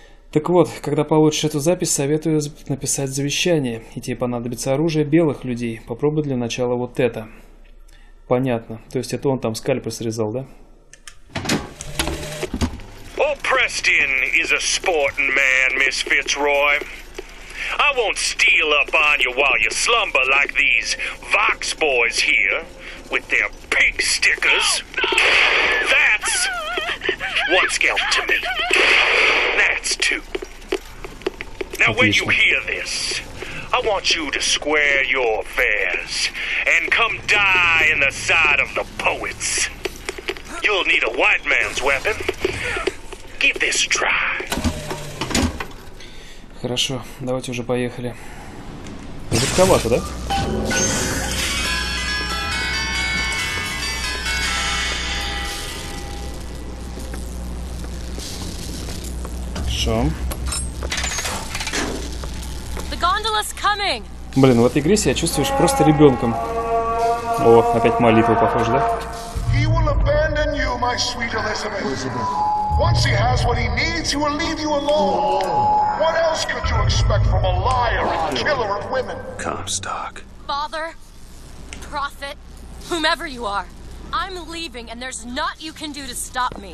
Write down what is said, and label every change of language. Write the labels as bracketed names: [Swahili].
[Russian] Так вот, когда получишь эту запись, советую написать завещание, и тебе понадобится оружие белых людей. Попробуй для начала вот это. Понятно. То есть это он там скальпы срезал, да? [English] О, Престон is a sporting man, мисс Фицрой. I won't steal up on you while you slumber like these Vox boys here with their pig stickers. That's one scalp to me. That's two. Now, when you hear this, I want you to square your affairs and come die in the side of the poets. You'll need a white man's weapon. Give this a try. [Russian] Хорошо, давайте уже поехали. Легковато, да? [English] The gondola's coming. [Russian] Блин, в этой игре себя чувствуешь просто ребенком. О, опять молитва похожа, да? [English] He will abandon you, my sweet Elizabeth. Once he has what he needs, he will leave you alone. What else could you expect from a liar, a killer of women? Comstock. Father, prophet, whomever you are, I'm leaving, and there's not you can do to stop me.